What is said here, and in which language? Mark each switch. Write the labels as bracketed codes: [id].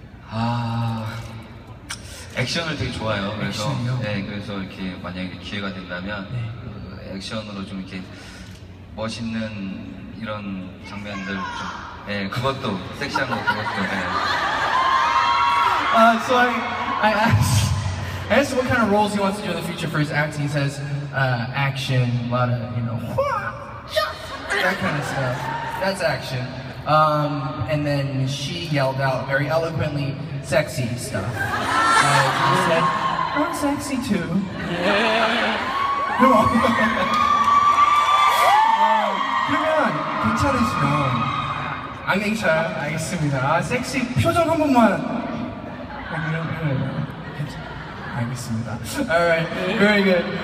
[ko] 아 액션을 되게 좋아요 그래서 액션이요? 네 그래서 이렇게 만약에 기회가 된다면 네. 액션으로 좀 이렇게 멋있는 이런 장면들 좀 네 그것도 섹시한 거 그것도 네. [en] So I asked what kind of roles he wants to do in the future for his acting. He says action, a lot of, you know, that kind of stuff. That's action. And then she yelled out very eloquently, sexy stuff. He said, I'm sexy too. Yeah. [ko] 그러면 괜찮으시면 안 괜찮아요? 알겠습니다. 섹시 표정 한 번만 알겠습니다. [en] Alright, very good.